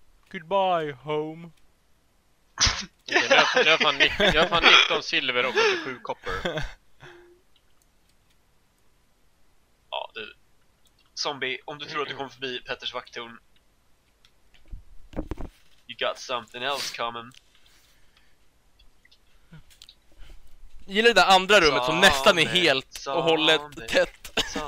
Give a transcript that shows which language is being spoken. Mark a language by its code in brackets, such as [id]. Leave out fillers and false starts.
[en] Goodbye, home. [sv] Okay, jag har fan 19 silver och 7 copper. Ja, du. Zombie, om du tror att du kommer förbi Petters vakttorn. [en] You got something else coming. [sv] Gillar det andra rummet som nästan är helt och hållet tätt.